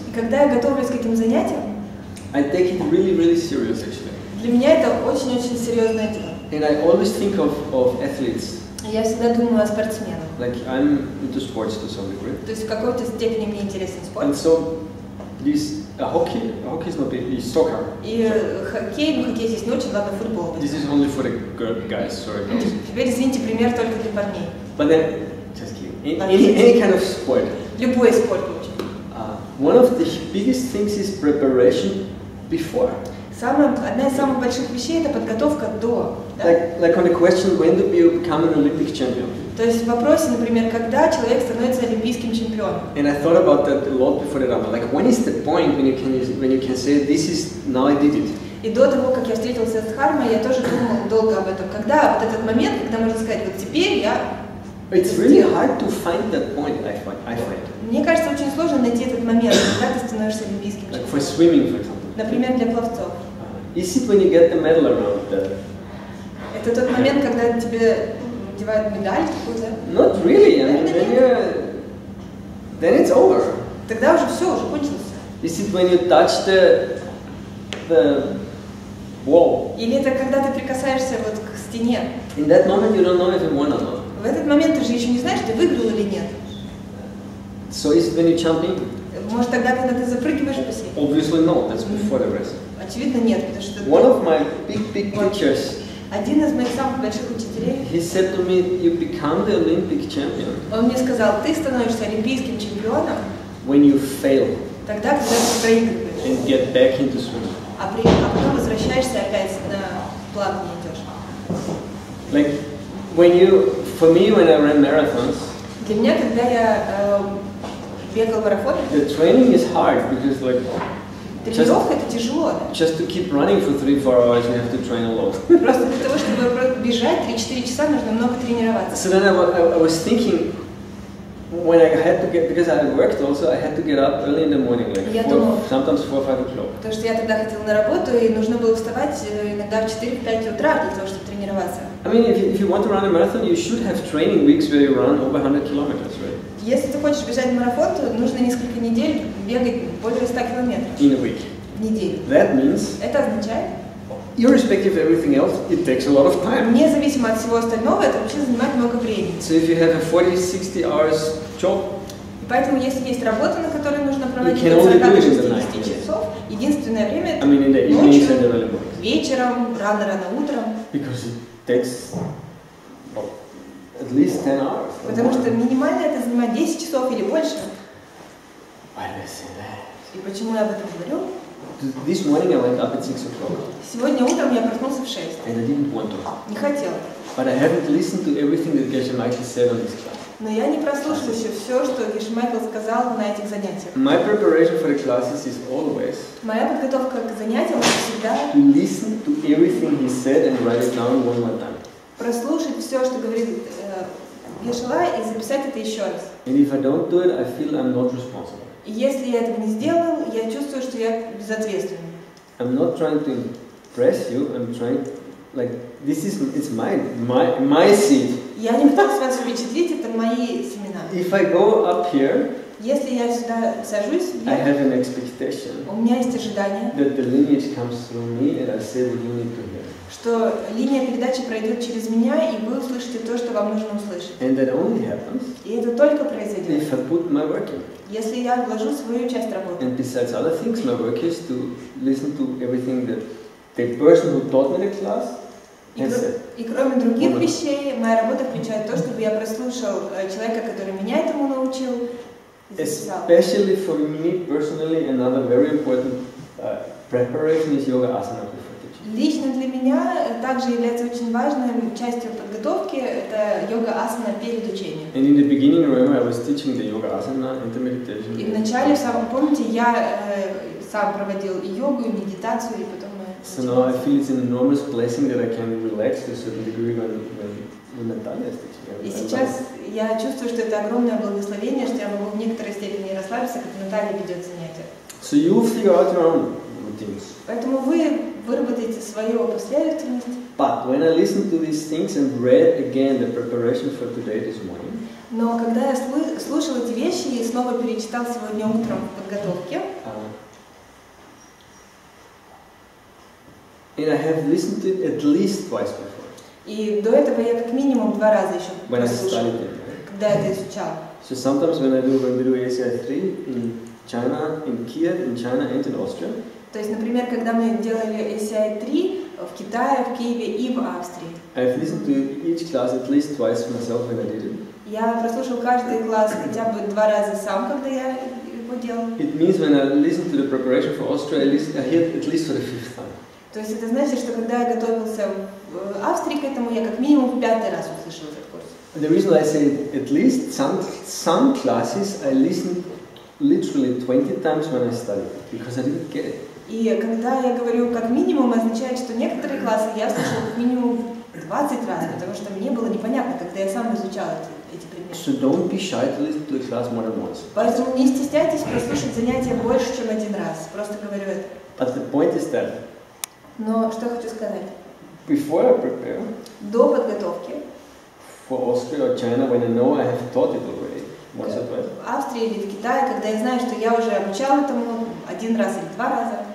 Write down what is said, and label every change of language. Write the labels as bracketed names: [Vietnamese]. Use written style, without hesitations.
[Russian] когда я готовлюсь к этим занятиям, [English] I take it really, really serious, actually. [Russian] Для меня это очень-очень серьезное дело. [English] And I always think of athletes. [Russian] Я всегда думаю о спортсменах. [English] Like I'm into sports to some degree. [Russian] То есть в какой-то степени мне интересен спорт. [English] And so these [Russian] А хоккей это не soccer. И хоккей, ну хоккей здесь не очень, ладно, футбол. [English] This is only for the guys, sorry. [Russian] Теперь извините, пример только для парней. [English] But then, just kidding. Any kind of sport. [Russian] Любой спорт. [English] One of the biggest things is preparation before. [Russian] Одна из самых больших вещей — это подготовка до. [English] Like on the question, when do you become an Olympic champion? [Russian] То есть в вопросе, например, когда человек становится олимпийским чемпионом? [English] And I thought about that a lot before the Rama. Like, when is the point when you can say this is now I did it? [Russian] И до того, как я встретился с Дхармой, я тоже думал долго об этом. Когда вот этот момент, когда можно сказать, вот теперь я. [English] It's really hard to find that point. I find. [Russian] Мне кажется, очень сложно найти этот момент, когда ты становишься олимпийским чемпионом. [English] Like for swimming, for example. [Russian] Например, для пловцов. [English] Is it when you get the medal around that? [Russian] Это тот момент, когда тебе надевают медаль какую-то? [English] Not really. I mean, then it's over. [Russian] Тогда уже все, уже кончилось. [English] Is it when you touch the wall? [Russian] Или это когда ты прикасаешься вот к стене? [English] In that moment you don't know if you won or not. [Russian] В этот момент ты же еще не знаешь, ты выиграл или нет. [English] So is it when you jump in? [Russian] Может тогда, когда ты запрыгиваешь в бассейн? [English] Obviously not. That's before the race. [Russian] Очевидно нет, потому что. [English] One of my big teachers. [Russian] Один из моих самых больших учителей. [English] He said to me, "You become the Olympic champion." [Russian] Он мне сказал, ты становишься олимпийским чемпионом. [English] When you fail. [Russian] Тогда, когда ты проигрываешь. [English] And get back into swimming. [Russian] А потом возвращаешься опять на плавание идешь. [English] Like when you, for me, when I ran marathons. [Russian] Для меня, когда я бегал марафон. [English] The training is hard because like. [Russian] Тренировка — это тяжело. [English] Just to keep running for 3-4 hours, you have to train a lot. [Russian] Просто для того, чтобы бежать 3-4 часа, нужно много тренироваться. [English] So then I was thinking, when I had to get, because I worked also, I had to get up early in the morning, like 4, sometimes 4-5 o'clock. [Russian] Потому что я тогда хотела на работу, и нужно было вставать иногда в 4-5 утра для того, чтобы тренироваться. [English] I mean, if you want to run a marathon, you should have training weeks where you run over 100 kilometers, right? [Russian] Если ты хочешь бежать в марафон, то нужно несколько недель бегать более 100 километров. [English] In a week. [Russian] В неделю. [English] That means. [Russian] Это означает. [English] Irrespective of everything else, it takes a lot of time. [Russian] Независимо от всего остального, это вообще занимает много времени. [English] So if you have a 40-60 hours job. [Russian] И поэтому, если есть работа, на которой нужно проводить 40-60 часов, единственное время. [English] I mean, in the [Russian] ночью, [English] in the evening. [Russian] Вечером, рано утром. [English] Because it takes. At least 10 hours. [Russian] Потому что минимально это занимает 10 часов или больше. [English] Why did I say that? [Russian] И почему я об этом говорю? [English] This morning I went up at 6 o'clock. [Russian] Сегодня утром я проснулся в 6. [English] And I didn't want to. [Russian] Не хотел. [English] But I haven't listened to everything that Geshe Michael said on this class. [Russian] Но я не прослушал еще все, что Geshe Michael сказал на этих занятиях. [English] My preparation for the classes is always. [Russian] Моя подготовка к занятиям всегда. [English] To listen to everything he said and write it down one more time. [Russian] Прослушать все, что говорит Гешела, и записать это еще раз. [English] And if I don't do it, I feel I'm not responsible. [Russian] И если я этого не сделал, я чувствую, что я безответственный. [English] I'm not trying to impress you, I'm trying, like, this is, it's my seat. [Russian] Я не пытался вас впечатлить, это мои семена. [English] If I go up here, [Russian] если я сюда сажусь, [English] I have an expectation. [Russian] У меня есть ожидание. [English] That the lineage comes through me and I say what you need to hear. [Russian] Что линия передачи пройдет через меня, и вы услышите то, что вам нужно услышать. [English] And that only happens, [Russian] и это только произойдет, [English] if I put my work in. [Russian] Если я вложу свою часть работы. [English] And besides other things, my work is to listen to everything that the person who taught me the class has said. [Russian] И кроме других вещей, моя работа включает то, чтобы я прослушал человека, который меня этому научил. [English] Especially for me personally, another very important preparation is yoga asana. [Russian] Лично для меня также является очень важной частью подготовки – это йога-асана перед учением. [English] And in the beginning, remember, I was teaching the yoga asana and the meditation. [Russian] И вначале, в самом помните, я сам проводил и йогу, и медитацию, и потом. [English] So now I feel it's an enormous blessing that I can relax to a certain degree when Natalia is teaching. [Russian] И сейчас я чувствую, что это огромное благословение, что я могу в некоторой степени расслабиться, когда Наталья ведет занятия. [English] So you figure out your own routines. [Russian] Поэтому вы выработайте свою последовательность. [English] But when I listened to these things and read again the preparation for today this morning. [Russian] Но когда я слушал эти вещи и снова перечитал сегодня утром подготовки. [English] And I have listened to it at least twice before. [Russian] И до этого я как минимум два раза еще прослушал. [English] When I studied it, right? [Russian] Когда я это изучал. [English] So sometimes when I do ACI 3 in China, in Kiev, in China and in Austria. [Russian] То есть, например, когда мы делали ACI-3 в Китае, в Киеве и в Австрии. [English] I've listened to each class at least twice myself when I did it. [Russian] Я прослушал каждый класс хотя бы два раза сам, когда я его делал. [English] It means when I listen to the preparation for Austria, I hear at least for the fifth time. [Russian] То есть это значит, что когда я готовился в Австрии к этому, я как минимум в пятый раз услышал этот курс. [English] The reason I say at least some classes I listen literally 20 times when I study, because I didn't get it. [Russian] И когда я говорю как минимум, означает, что некоторые классы я слушал как минимум 20 раз, потому что мне было непонятно, когда я сам изучал эти предметы. [English] So don't be shy to listen to a class more than once. [Russian] Поэтому не стесняйтесь прослушать занятия больше, чем один раз. Просто говорю это. [English] But the point is that. [Russian] Но что я хочу сказать? [English] Before I prepare. [Russian] До подготовки. [English] For Austria or China, when I know I have taught it already. Once or twice. [Russian] В Австрии или в Китае, когда я знаю, что я уже обучал этому один раз или два раза.